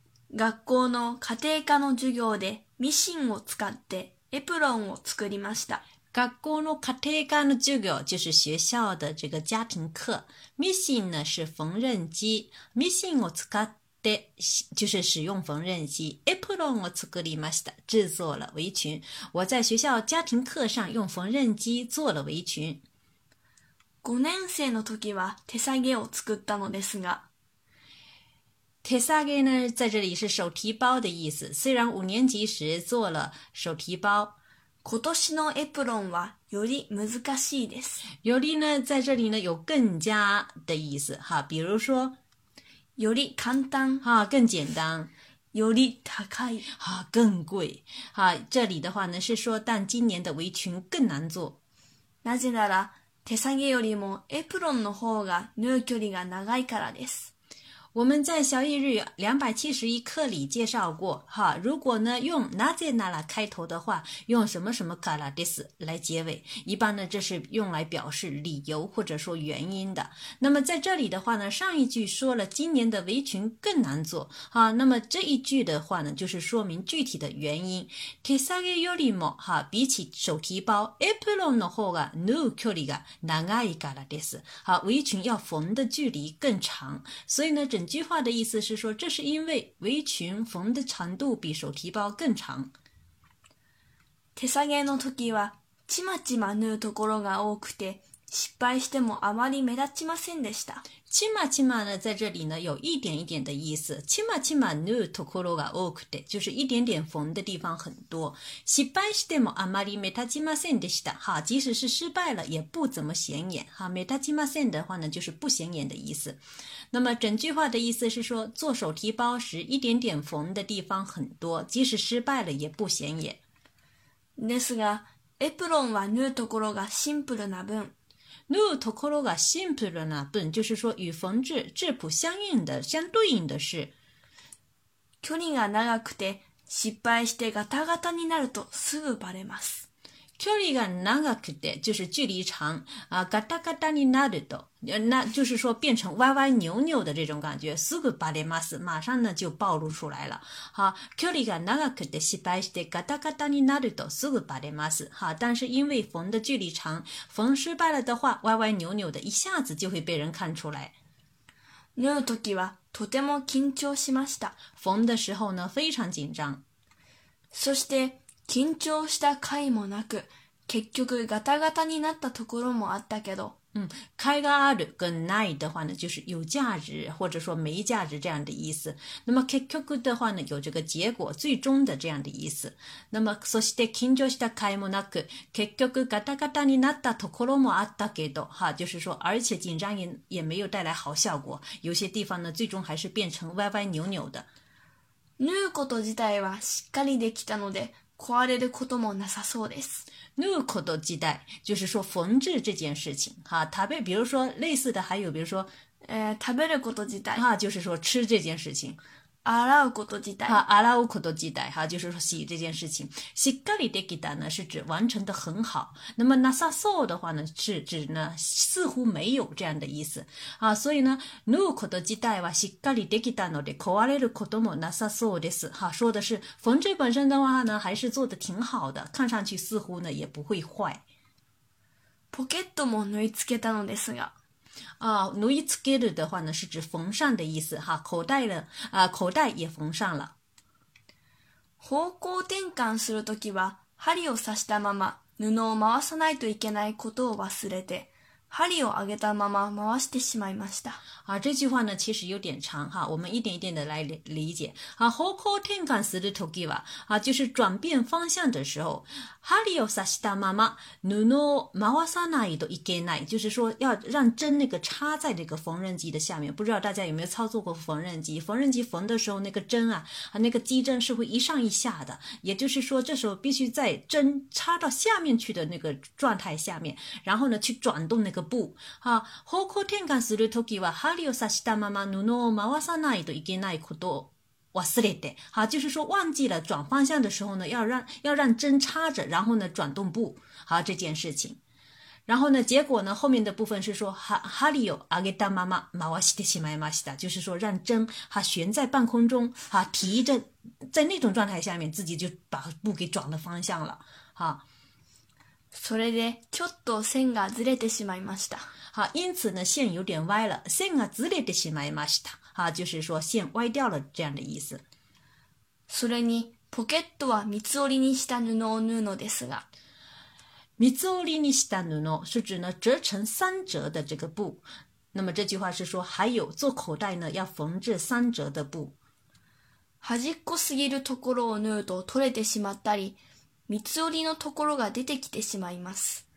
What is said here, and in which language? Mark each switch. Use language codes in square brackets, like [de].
[ja] 学校の家庭科の授業でミシンを使ってエプロンを作りました。学校の家庭科の授業、 [zh] 就是学校的这个家庭课。ミシン呢是缝纫机。 [ja] ミシンを使って、 [zh] 就是使用缝纫机。 [ja] エプロンを作りました。 [zh] 制作了围裙。我在学校家庭课上用缝纫机做了围裙。 [ja] 5年生の時は手提げを作ったのですが、 [zh] 手提げ呢在这里是手提包的意思。虽然五年级时做了手提包。 [ja] 今年のエプロンはより難しいです。 [zh] より呢在这里呢有更加的意思。哈，比如说 [ja] より簡単。 [zh] 哈，更简单。 [ja] より高い。 [zh] 哈，更贵。哈，这里的话呢是说但今年的围裙更难做。 [ja] なぜなら手提げよりもエプロンの方が縫う距離が長いからです。 [zh] 我们在小易日271课里介绍过，哈，如果呢用なぜなら开头的话，用什么什么からです来结尾，一般呢这是用来表示理由或者说原因的。那么在这里的话呢，上一句说了今年的围裙更难做，哈，那么这一句的话呢，就是说明具体的原因。 [ja] 手提げよりも，哈， [zh] 比起手提包， [ja] エプロンの方が縫う距離が長いからです。 [zh] 好，围裙要缝的距离更长，所以呢整句话的意思是说，这是因为围裙缝的长度比手提包更长。 [ja] 手提げの時はちまちま縫うところが多くて、失敗してもあまり目立ちませんでした。 [zh] ちまちま呢，在这里呢有一点一点的意思。 [ja] ちまちま縫うところが多くて， [zh] 就是一点点缝的地方很多。 [ja] 失敗してもあまり目立ちませんでした。 [zh] 哈，即使是失败了，也不怎么显眼。哈， [ja] 目立ちません [zh] 的话呢，就是不显眼的意思。那么整句话的意思是说，做手提包时一点点缝的地方很多，即使失败了也不显眼。 [ja] ですが、エプロンは縫うところがシンプルな分。縫うところがシンプルな分， [zh] 就是说与缝制质朴相应的相对应的是。 [ja] 距離が長くて失敗してガタガタになるとすぐバレます。距離が長くて [zh] 就是距离长啊， [ja] ガタガタになると， [zh] 那就是说变成歪歪扭扭的这种感觉， [ja] すぐバレます， [zh] 马上呢就暴露出来了。 [ja] 好，距離が長くて失敗してガタガタになるとすぐバレます。 [zh] 好，但是因为缝的距离长，缝失败了的话，歪歪扭扭的一下子就会被人看出来。 [ja] 縫う時はとても緊張しました。 [zh] 缝的时候呢非常紧张。 [ja] そして。緊張した甲斐もなく、結局ガタガタになったところもあったけど。甲斐があるがない [zh] 的话呢，就是有价值或者说没价值这样的意思。那么結局的话呢，有这个结果最终的这样的意思。那么 [ja] そして緊張した甲斐もなく、結局ガタガタになったところもあったけど， [zh] 哈，就是说而且紧张 也没有带来好效果，有些地方呢最终还是变成歪歪扭扭的。 [ja] 縫うこと自体はしっかりできたので。壊れることもなさそうです。縫うこと自体、 [zh] 就是说缝制这件事情。哈，食べ、比如说类似的、还有比如说、 [ja] 食べること自体。 [zh] 哈，就是说吃这件事情。 [ja] 洗うこと自体。 [zh] 哈， [ja] 洗うこと自体。 [zh] 哈，就是说洗这件事情。 [ja] しっかりできた [zh] 呢，是指完成的很好。那么 [ja] なさそう [zh] 的话呢，是指呢似乎没有这样的意思。 [ja] 啊， [zh] 所以呢、 [ja] 縫うこと自体はしっかりできたので壊れることもなさそうです。 [zh] 哈，说的是缝制本身的话呢，还是做的挺好的，看上去似乎呢也不会坏。 [ja] ポケットも縫い付けたのですが。 [zh] 啊， [ja] 縫い付ける [zh] 的话呢是指缝上的意思哈，口袋的啊，口袋也缝上了。 [ja] 方向転換するときは針を刺したまま布を回さないといけないことを忘れて、針を上げたまま回してしまいました。 [zh] 啊，这句话呢其实有点长哈，我们一点一点的来理解。啊， [ja] 方向転換する時は， [zh] 啊，就是转变方向的时候。 [ja] 針を刺したまま布を回さないといけない， [zh] 就是说要让针那个插在这个缝纫机的下面。不知道大家有没有操作过缝纫机？缝纫机缝的时候，那个针啊，那个机针是会一上一下的，也就是说这时候必须在针插到下面去的那个状态下面，然后呢去转动那个布。啊， [ja] 方向転換する時は針を刺したまま布を回さないといけないこと忘れて， [zh] 好，就是说忘记了转方向的时候呢，要让针插着，然后呢转动布，好这件事情。然后呢，结果呢，后面的部分是说 [ja] 針を上げたまま回してしまいました， [zh] 就是说让针哈悬在半空中，哈提着，在那种状态下面，自己就把布给转了方向了，哈。 [ja] それでちょっと線がずれてしまいました。 [zh] 好，因此呢线有点歪了， [ja] 線がずれてしまいました。 [zh] 啊，就是说线歪掉了这样的意思。それにポケットは三つ折りにした布を縫うのですが、 [ja] 三つ折りにした布 [zh] 是指呢折成三折的这个布。那么这句话是说还有做口袋呢要缝制三折的布。 [ja] 端っこすぎるところを縫うと取れてしまったり、三つ折りのところが出てきてしまいます。